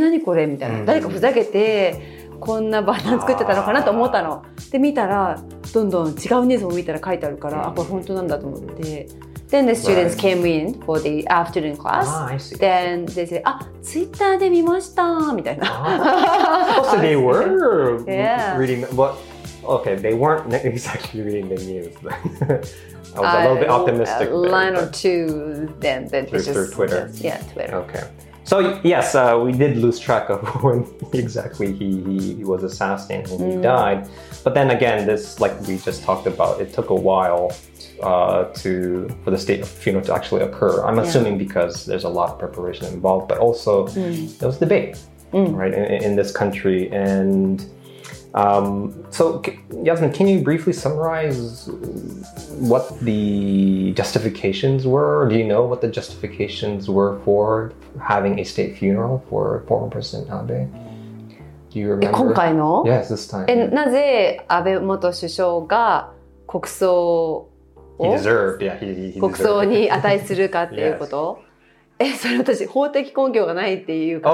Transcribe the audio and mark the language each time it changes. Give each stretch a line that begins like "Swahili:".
Japanese: それかなと思って、しかもなんかLINEのメッセージを休み時間だったからチェックしようかなと思ってた時に、上の方にさ、バナーみたいなのが出るでしょ、ニュースの。そこで安倍元首相が銃撃みたいな、え、何これみたいな。誰かふざけて、 こんなバナー作ってたのかなと思ったの。で、見たら、どんどん違うニュースも見たら書いてあるから、あ、これ本当なんだと思って。
English: Then the students came in for the afternoon class. Ah, I see. Then they say, ah, Twitter
Japanese: で見ました、みたいな。
English: Ah. So they were reading, but okay, they weren't exactly reading the news. I was a little bit optimistic. A line or two, then through Twitter. Okay. So yes, we did lose track of when exactly he was assassinated and he died. But then again, this like we just talked about, it took a while for the state funeral to actually occur. I'm assuming because there's a lot of preparation involved, but also there was debate, right, in this country. And so Yasmin, can you briefly summarize what the justifications were? Do you know what the justifications were for having a state funeral for former President Abe? Do you remember?
Japanese: 今回の?
English: Yes, this time.
Japanese: なぜ安倍元首相が国葬を?
English: He deserved, yeah, he deserved.
Japanese: 国葬に値するかっていうこと?
English: Yes.
Japanese: それ私法的根拠がないっていうから。